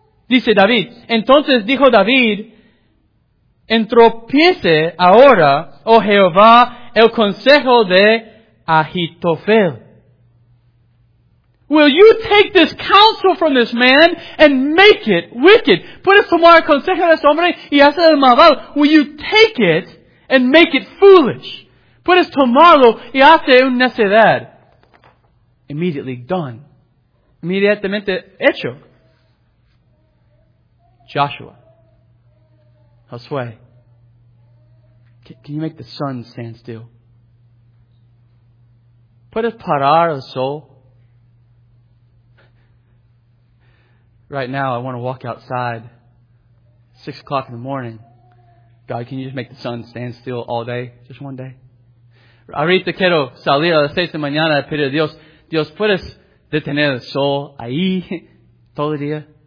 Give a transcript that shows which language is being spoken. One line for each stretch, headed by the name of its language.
Spanish: Dice David. Entonces dijo David, entropiece ahora, oh Jehová, el consejo de Ahitofel.
English: Will you take this counsel from this man and make it wicked?
Spanish: Puedes tomar el consejo de este hombre y hacer el malvado.
English: Will you take it and make it foolish?
Spanish: Puedes tomarlo y hacer un necedad.
English: Immediately done.
Spanish: Inmediatamente hecho.
English: Joshua. Josué. Can you make the sun stand still?
Spanish: ¿Puedes parar el sol?
English: Right now, I want to walk outside. 6 o'clock in the morning. God, can you just make the sun stand still all day? Just one day?
Spanish: Ahorita quiero salir a las 6 de la mañana y pedir a Dios. Dios, ¿puedes detener el sol ahí todo el día?